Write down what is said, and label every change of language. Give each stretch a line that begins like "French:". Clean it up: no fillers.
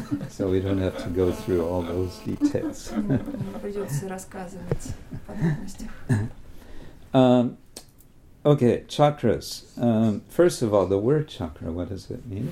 English: So we don't have to go through all those details.
Russian: Не придется рассказывать о подробностях.
English: Okay, chakras. First of all, the word chakra, what does it mean?